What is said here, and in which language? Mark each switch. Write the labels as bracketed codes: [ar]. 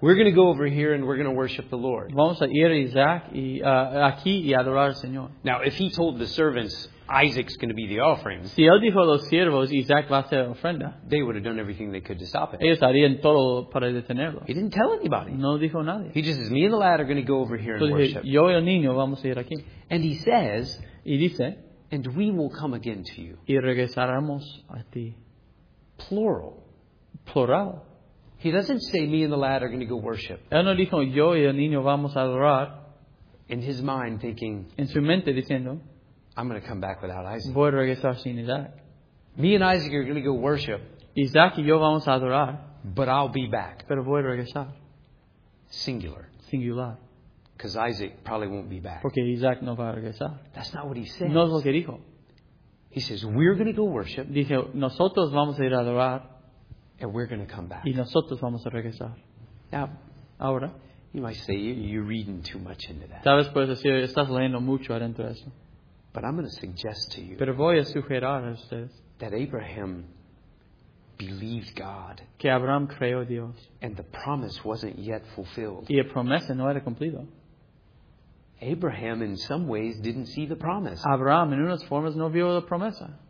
[en] We're going to go over here and we're going to worship the Lord. [es] Vamos a ir a Isaac y aquí y adorar al Señor. [en] Now, if he told the servants Isaac's going to be the offering, [es] si él dijo a los siervos Isaac va a ser ofrenda, [en] they would have done everything they could to stop it. [es] Ellos harían todo para detenerlo. [en] He didn't tell anybody. [es] No dijo a nadie. [en] He just says, me and the lad are going to go over here [es] entonces, [en] and worship. [es] Yo y el niño vamos a ir aquí. [en] And he says, [es] y dice, [en] and we will come again to you. [es] Y regresaremos a ti. [en] Plural. [es] Plural. [en] He doesn't say me and the lad are going to go worship. [es] Él no dijo yo y el niño vamos a adorar. [en] In his mind thinking. [es] En su mente diciendo. [en] I'm going to come back without Isaac. [es] Voy a regresar sin Isaac. [en] Me and Isaac are going to go worship. [es] Isaac y yo vamos a adorar. [en] But I'll be back. [es] Pero voy a regresar. [en] Singular. [es] Singular. [en] Because Isaac probably won't be back. [es] Porque Isaac no va a regresar. [en] That's not what he said. [es] No es lo que dijo. [en] He says we're going to go worship. [es] Dice nosotros vamos a ir a adorar. [en] And we're going to come back. [es] Y nosotros vamos a regresar. [en] Now, [es] Ahora, [en] you might say you're reading too much into that. [es] Tal vez puedes decir, estás leyendo mucho adentro de eso. [en] But I'm going to suggest to you. [es] Pero voy a sugerir a ustedes [en] that Abraham believed God. [es] Que Abraham creyó Dios. [en] And the promise wasn't yet fulfilled. [es] Y la promesa no era cumplida. [en] Abraham, in some ways, didn't see the promise. [es] Abraham, en unas formas, no vio la promesa.